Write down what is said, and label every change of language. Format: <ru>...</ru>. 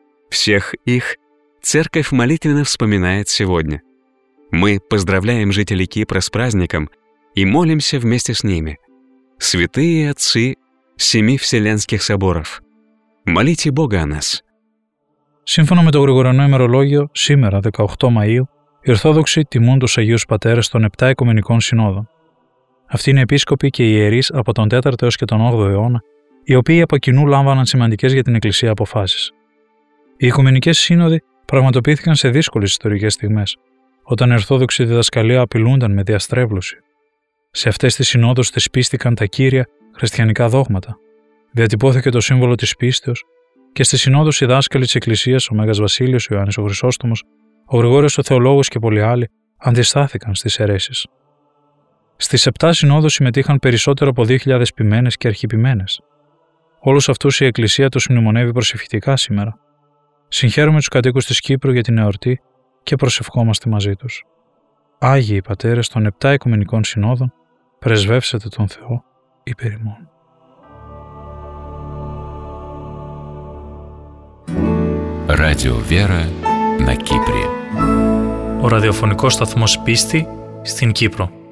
<ru>Всех их церковь молитвенно вспоминает сегодня. Мы поздравляем жителей Кипра с праздником и молимся вместе с ними. Святые отцы семи вселенских соборов, молите Бога о нас.</ru> <el>Σύμφωνα με το Γρηγοριανό ημερολόγιο, σήμερα, 18 Μαΐου, οι Ορθόδοξοι τιμούν τους Αγίους Πατέρες των 7 Οικουμενικών Συνόδων. Αυτοί είναι επίσκοποι και ιερείς από τον 4ο έως και τον 8ο αιώνα, οι οποίοι από κοινού λάμβαναν σημαντικές για την Εκκλησία αποφάσεις. Οι Οικουμενικές Σύνοδοι πραγματοποιήθηκαν σε δύσκολες ιστορικές στιγμές, όταν οι Ορθόδοξοι διδασκαλία απειλούνταν με διαστρέβλωση. Σε αυτές τις συνόδους θεσπίστηκαν τα κύρια χριστιανικά δόγματα. Διατυπώθηκε το σύμβολο της πίστεως και στη Συνόδος οι δάσκαλοι της Εκκλησίας, ο Μέγας Βασίλειος, ο Ιωάννης ο Χρυσόστομος, ο Γρηγόριος ο Θεολόγος και πολλοί άλλοι αντιστάθηκαν στις αιρέσεις. Στις 7 συνόδους συμμετείχαν περισσότερο από 2.000 ποιμένες και αρχιποιμένες. Όλους αυτούς η Εκκλησία τους μνημονεύει προσευχητικά σήμερα. Συγχαίρουμε τους κατοίκους της Κύπρου για την εορτή και προσευχόμαστε μαζί τους. Άγιοι Πατέρες των 7 Οικουμενικών Συνόδων, πρεσβεύσετε τον Θεό υπέρ ημών.</el> <ru>Radio Vera на Кипре.</ru> <el>Ο ραδιοφωνικός σταθμός πίστη στην Κύπρο.</el>